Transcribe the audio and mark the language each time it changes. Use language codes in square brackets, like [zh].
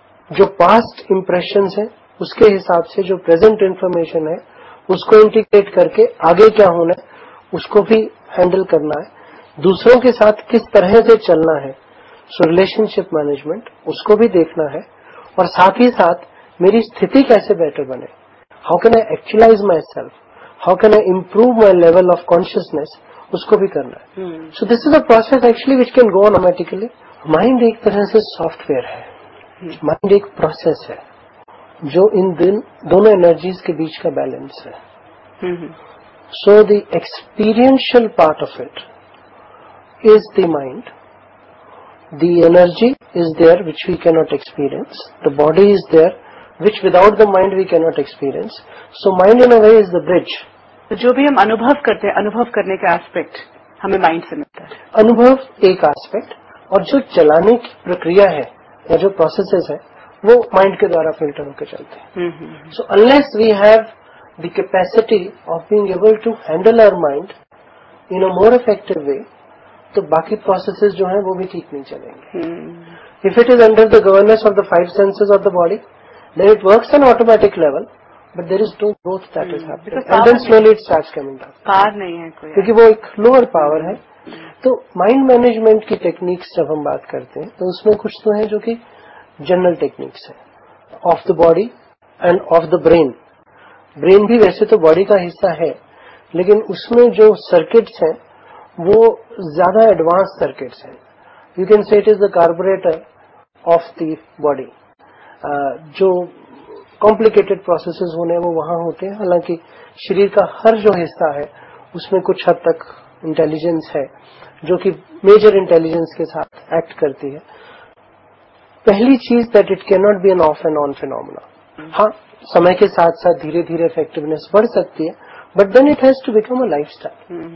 [ur] جو past impressions ہیں اس کے حساب سے جو پریزنٹ انفارمیشن ہے اس کو انٹیگریٹ کر کے آگے کیا ہونا ہے اس کو بھی ہینڈل کرنا ہے, دوسروں کے ساتھ کس طرح سے چلنا ہے, سو ریلیشن شپ مینجمنٹ اس کو بھی دیکھنا ہے, اور ساتھ ہی ساتھ میری استھتی کیسے بیٹر بنے, [en] how can I actualize myself, how can I improve my level of consciousness, [ur] اس کو بھی کرنا ہے. [en] So this is a process actually which can go automatically. [ur] Mind ایک طرح سے سافٹ ویئر ہے, مائنڈ ایک پروسیس ہے جو ان دونوں انرجیز کے بیچ کا بیلنس ہے. [en] So the experiential part of it is the mind, the energy is there which we can't experience, the body is there which without the mind we can't experience. So mind in a way is the bridge. [ur] جو بھی ہم انوبھو کرتے ہیں, انوبھو کرنے کا آسپیکٹ ہمیں mind سے ملتا ہے, انوبھو ایک آسپیکٹ, اور جو چلانے کی پرکریا ہے یا جو پروسیسز ہے وہ مائنڈ کے دوارا فلٹر ہو کے چلتے ہیں. [en] so unless we have the capacity of being able to handle over mind in a more effective way, [ur] تو باقی پروسیسز جو ہیں وہ بھی ٹھیک نہیں چلیں گے. [en] If it is under the governance of the five senses of the body then it works on automatic level, but there is no growth that is happening, then slowly it starts coming down. [ur] Power نہیں ہے کوئی, کیونکہ وہ ایک lower power ہے. تو mind management کی techniques جب ہم بات کرتے ہیں تو اس میں کچھ تو ہیں جو کہ جنرل ٹیکنیکس ہے [en] Of the body and of the brain. [ur] Brain بھی ویسے تو باڈی کا حصہ ہے, لیکن اس میں جو سرکٹس ہیں وہ زیادہ ایڈوانس سرکٹس ہیں. [en] You can see it is the carburettor of the body. [ur] جو کمپلیکیٹڈ پروسیسز ہونے ہیں وہ وہاں ہوتے ہیں, حالانکہ شریر کا ہر جو حصہ ہے اس میں کچھ حد تک انٹیلیجنس ہے جو کہ میجر انٹیلیجنس کے ساتھ ایکٹ کرتی ہے. پہلی چیز [en] That it can not be an off and on phenomena. [ur] ہاں سمے کے ساتھ ساتھ دھیرے دھیرے افیکٹونیس بڑھ سکتی ہے, [en] But then it has to become a lifestyle.